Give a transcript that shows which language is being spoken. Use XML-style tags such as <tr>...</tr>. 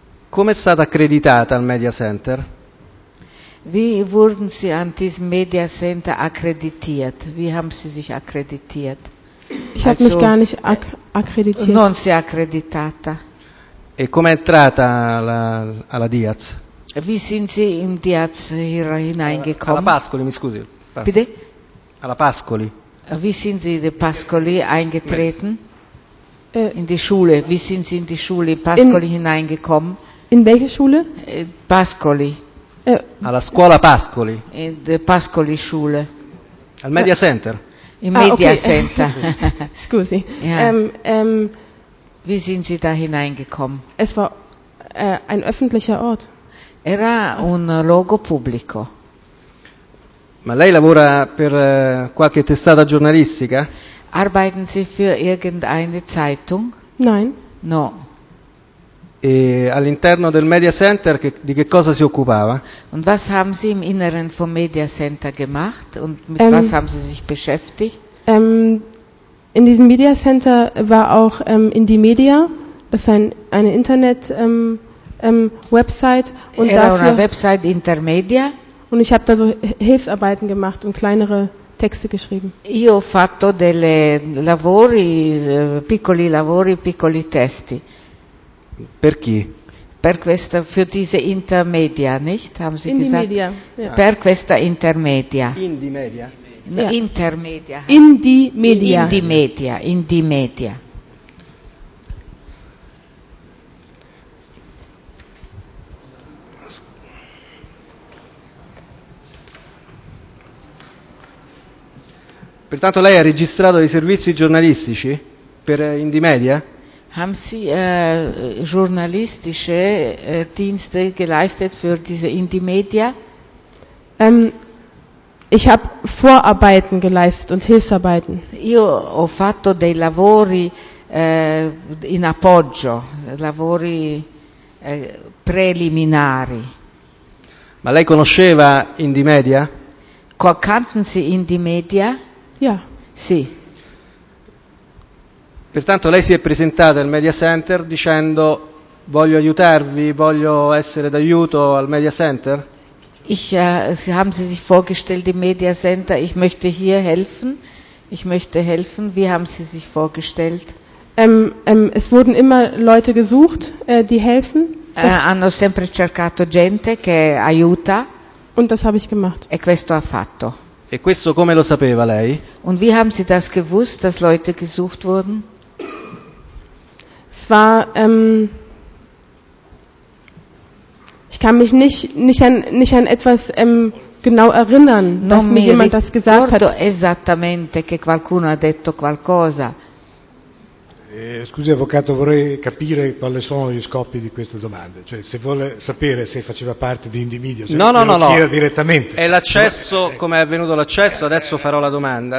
<it>Come è stata accreditata al Media Center?</it> <de>Wie wurden Sie an diesem Media Center akkreditiert? Wie haben Sie sich akkreditiert? Ich habe mich gar nicht akkreditiert.</de> <it>Non si è accreditata. E com'è entrata alla Diaz?</it> <de>Wie sind Sie im Diaz hineingekommen?</de> <it>Alla Pascoli, mi scusi.</it> <de>Bitte?</de> <it>Alla Pascoli.</it> <de>Wie sind Sie in die Pascoli eingetreten? In die Schule. Wie sind Sie in die Schule Pascoli hineingekommen? In welche Schule? Pascoli.</de> <it>Alla scuola Pascoli.</it> <de>In die Pascoli Schule.</de> <it>Al Media Center.</it> <de>Im Media Center.</de> <it>Scusi.</it> <de>Ja. Wie sind Sie da hineingekommen? Es war ein öffentlicher Ort.</de> <it>Era un luogo pubblico. Ma lei lavora per qualche testata giornalistica?</it> <de>Arbeiten Sie für irgendeine Zeitung? Nein.</de> <it>No. E all'interno del Media Center di che cosa si occupava?</it> <de>Und was haben Sie im Inneren vom Media Center gemacht und mit was haben Sie sich beschäftigt? In diesem Media Center war auch Indymedia, das ist eine Internet Website und</de> <it>era</it> <de>dafür</de> <it>una Website Intermedia.</it> <de>Und ich habe da so Hilfsarbeiten gemacht und kleinere Texte geschrieben.</de> <it>Io ho fatto delle lavori, piccoli lavori, piccoli testi. Per chi? Per questa,</it> <de>für diese Intermedia, nicht? Haben Sie Indymedia, gesagt? Ja.</de> <it>Per questa Intermedia. Indymedia. Yeah. Intermedia. Indymedia. Indymedia. Indymedia. Pertanto lei ha registrato dei servizi giornalistici per Indymedia?</it> <de>Haben Sie giornalistische Dienste geleistet für diese Indymedia? Ich habe Vorarbeiten geleistet und Hilfsarbeiten.</de> <it>Io ho fatto dei lavori in appoggio, lavori preliminari. Ma lei conosceva Indymedia?</it> <de>Kannten Sie Indymedia? Ja.</de> <it>Sì. Pertanto lei si è presentata al Media Center dicendo: voglio aiutarvi, voglio essere d'aiuto al Media Center?</it> <de>Sie haben Sie sich vorgestellt im Media Center, ich möchte hier helfen, ich möchte helfen. Wie haben Sie sich vorgestellt? Es wurden immer Leute gesucht, die helfen.</de> <it>Hanno sempre cercato gente che aiuta.</it> <de>Und das habe ich gemacht.</de> <it>E questo ha fatto. E questo come lo sapeva lei?</it> <de>Und wie haben Sie das gewusst, dass Leute gesucht wurden? Es war, ich kann mich nicht an etwas genau erinnern,</de> <it>non</it> <de>dass mir jemand das gesagt hat.</de> <it>Non mi ricordo esattamente che qualcuno ha detto qualcosa. Scusi avvocato, vorrei capire quali sono gli scopi di queste domande, cioè se vuole sapere se faceva parte di Indymedia, cioè, no. Chieda direttamente. È l'accesso, come è avvenuto l'accesso, adesso farò la domanda.</it>